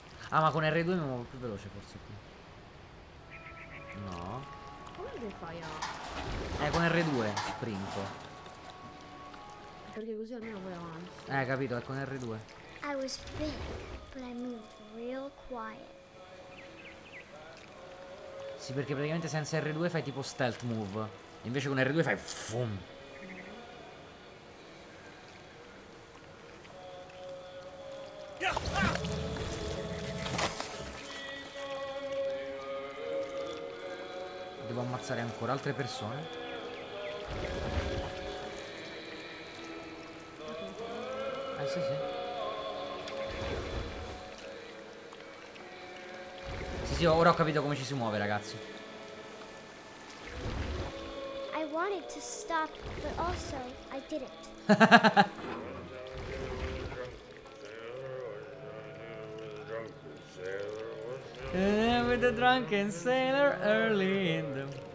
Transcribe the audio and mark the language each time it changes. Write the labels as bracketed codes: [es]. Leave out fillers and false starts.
[it] Ah, ma con R2 mi muovo più veloce forse qui. No. Come fai a... con R2 sprinto. Perché così almeno vai avanti. Capito, è con R2. [en] I was big, but I moved real quiet. [it] Sì, perché praticamente senza R2 fai tipo stealth move. Invece con R2 fai fum. Ammazzare ancora altre persone. Sì, sì. Sì, sì, ora ho capito come ci si muove, ragazzi. [en] I wanted to stop, but also I didn't. With the drunken sailor early in the